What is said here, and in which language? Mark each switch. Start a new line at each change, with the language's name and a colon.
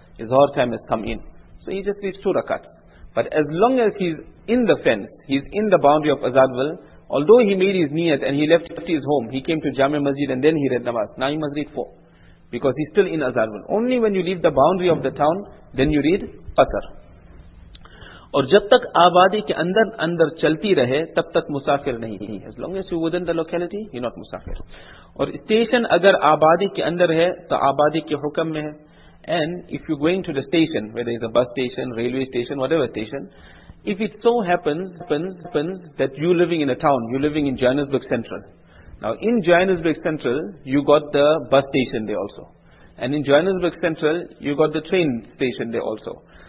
English: His Zohar time has come in. So he just reached 2 rakat. But as long as he's in the fence, he's in the boundary of Azadville, although he made his niyat and he left his home, he came to Jami Masjid and then he read namaz, now he must read 4. Because he's still in Azadville. Only when you leave the boundary of the town, then you read Qasr.
Urdu: اور جب تک آبادی کے اندر چلتی رہے تب تک مسافر نہیں ہے.
English: As long as you're within the locality, you're not musafir.
Urdu: اور اسٹیشن اگر آبادی کے اندر ہے تو آبادی کے حکم میں ہے.
English: And if you're going to the station, whether it's a bus station, railway station, whatever station, if it so happens that you're living in a town, you're living in Johannesburg Central. Now, in Johannesburg Central, you got the bus station there also. And in Johannesburg Central, you got the train station there also.